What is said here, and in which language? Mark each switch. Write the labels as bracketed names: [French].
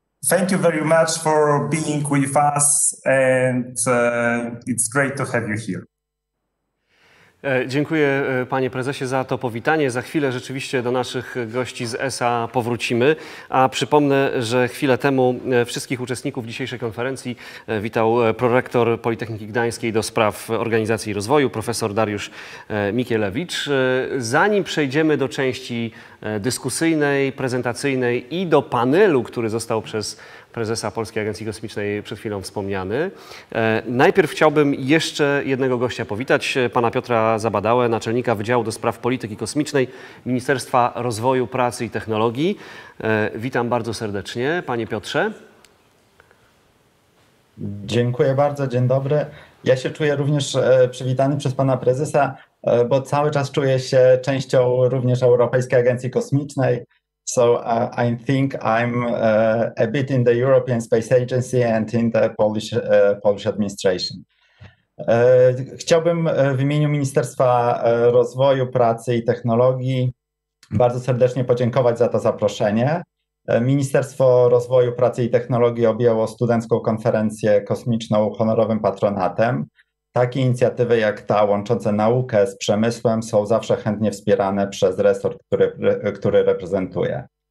[English] Thank you very much for being with us and it's great to have you here. [Polish] Dziękuję panie prezesie za to powitanie. Za chwilę rzeczywiście do naszych gości z ESA powrócimy. A przypomnę, że chwilę temu wszystkich uczestników dzisiejszej konferencji witał prorektor Politechniki Gdańskiej do spraw organizacji i rozwoju, profesor Dariusz Mikielewicz. Zanim przejdziemy do części dyskusyjnej, prezentacyjnej i do panelu, który został przez prezesa Polskiej Agencji Kosmicznej przed chwilą wspomniany. Najpierw chciałbym jeszcze jednego gościa powitać, pana Piotra Zabadałę, naczelnika Wydziału do Spraw Polityki Kosmicznej Ministerstwa Rozwoju, Pracy i Technologii. Witam bardzo serdecznie, panie Piotrze. Dziękuję bardzo, dzień dobry. Ja się czuję również przywitany przez pana prezesa, bo cały czas czuję się częścią również Europejskiej Agencji Kosmicznej. [English] So I think I'm a bit in the European Space Agency and in the Polish administration. [Polish] Chciałbym w imieniu Ministerstwa Rozwoju, Pracy i Technologii bardzo serdecznie podziękować za to zaproszenie. Ministerstwo Rozwoju, Pracy i Technologii objęło studencką konferencję kosmiczną honorowym patronatem. Takie inicjatywy jak ta łączące naukę z przemysłem są zawsze chętnie wspierane przez resort, który reprezentuję.